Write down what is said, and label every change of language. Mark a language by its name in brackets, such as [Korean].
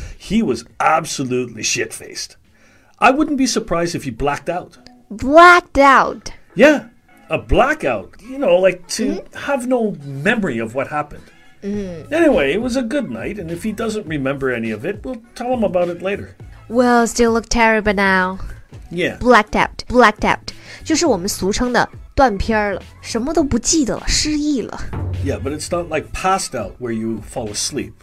[English] He was absolutely shit-faced. I wouldn't be surprised if he blacked out. Blacked out? Yeah, a blackout. You know, like to have no memory of what happened. Anyway, it was a good night, and if he doesn't remember any of it, we'll tell him about it later. Well, still look terrible now. Yeah. Blacked out. [Chinese] 就是我们俗称的断片了什么都不记得了失忆了 [English] Yeah, but it's not like passed out where you fall asleep.